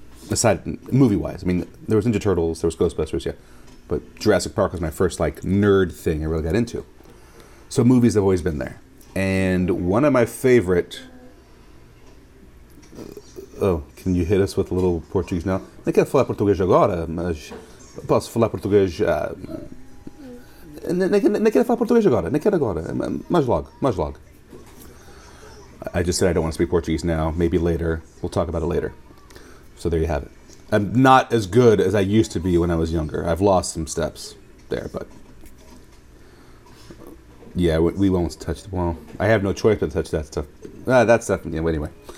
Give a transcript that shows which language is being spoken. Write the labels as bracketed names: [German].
[English] Aside, movie-wise, I mean, there was Ninja Turtles, there was Ghostbusters, yeah. But Jurassic Park was my first, like, nerd thing I really got into. So movies have always been there. And one of my favorite... Oh, can you hit us with a little Portuguese now? [Portuguese] Não quero falar português agora, mas posso falar português... Não quero falar português agora, não quero agora, mais logo. [English] I just said I don't want to speak Portuguese now, maybe later, we'll talk about it later. So there you have it. I'm not as good as I used to be when I was younger. I've lost some steps there, but... Yeah, we won't touch the ball. I have no choice but to touch that stuff. That stuff, yeah, anyway.